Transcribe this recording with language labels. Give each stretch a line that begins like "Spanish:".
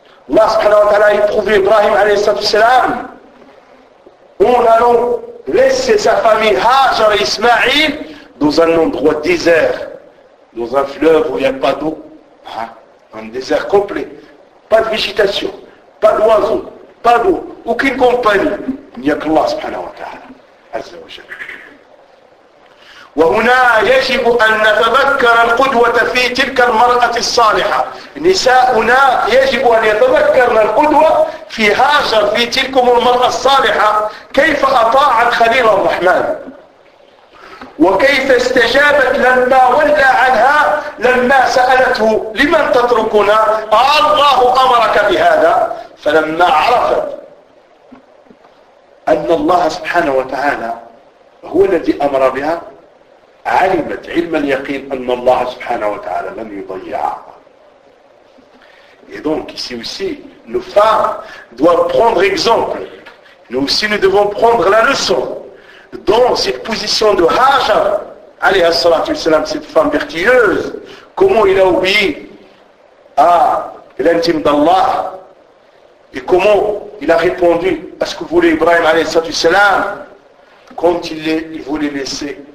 French: Allah subhanahu wa ta'ala a éprouvé Ibrahim alayhi salam en allant laisser sa famille Hajar et Ismaïl dans un endroit désert, dans un fleuve où il n'y a pas d'eau, hein, un désert complet, pas de végétation, pas d'oiseaux, pas d'eau, aucune compagnie, il n'y a qu'Allah subhanahu wa ta'ala, azza wa jalla.
Arabic: وهنا يجب أن نتذكر القدوة في تلك المرأة الصالحة نساؤنا يجب أن يتذكرن القدوة في هاجر في تلك المرأة الصالحة كيف أطاعت خليل الرحمن وكيف استجابت لما ولى عنها لما سألته لمن تتركنا؟ الله أمرك بهذا. فلما عرفت أن الله سبحانه وتعالى هو الذي أمر بها علمت علم اليقين أن الله سبحانه وتعالى لم يضيعها.
French: Et donc ici aussi, nos femmes doivent prendre exemple. Nous aussi, nous devons prendre la leçon dans cette position de Haja, alayhi salatu wassalam, cette femme vertueuse, comment il a oublié l'intime d'Allah et comment il a répondu à ce que voulait Ibrahim alayhi salatu wassalam quand il voulait laisser.